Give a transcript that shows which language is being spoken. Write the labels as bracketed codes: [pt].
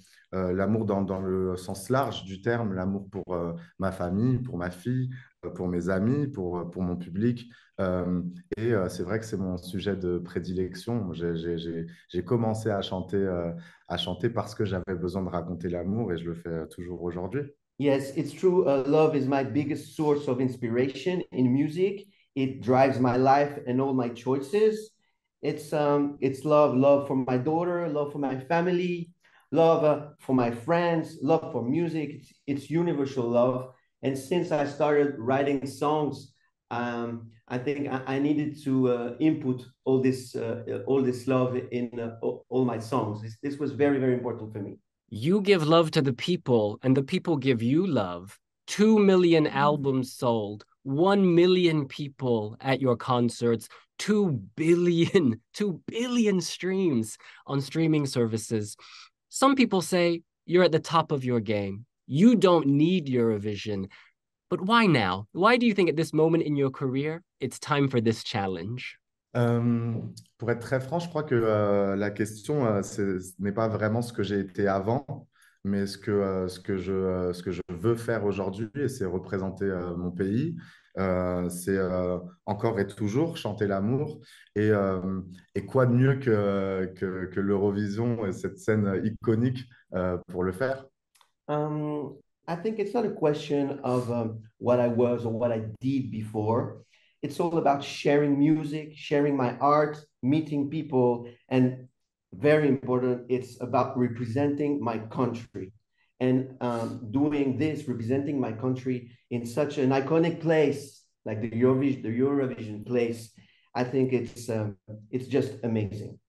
[fr] L'amour dans le sens large du terme, l'amour pour ma famille, pour ma fille, pour mes amis, pour mon public. C'est vrai que c'est mon sujet de prédilection. J'ai commencé à chanter parce que j'avais besoin de raconter l'amour et je le fais toujours aujourd'hui. [en] Yes, it's true. Love is my biggest source of inspiration in music. It drives my life and all my choices. It's love for my daughter, love for my family, love for my friends, love for music. It's universal love. And since I started writing songs, I think I needed to input all this love in all my songs. This was very, very important for me. You give love to the people and the people give you love. 2 million albums sold, 1 million people at your concerts, 2 billion streams on streaming services. Some people say you're at the top of your game. You don't need Eurovision. But why now? Why do you think at this moment in your career, it's time for this challenge? [fr] Pour être très franc, je crois que la question n'est pas vraiment ce que j'ai été avant, mais ce que je veux faire aujourd'hui, et c'est représenter mon pays, c'est encore et toujours chanter l'amour. Et quoi de mieux que l'Eurovision et cette scène iconique pour le faire? [en] I think it's not a question of what I was or what I did before. It's all about sharing music, sharing my art, meeting people, and very important, it's about representing my country. And doing this, representing my country in such an iconic place like the Eurovision place, I think it's just amazing.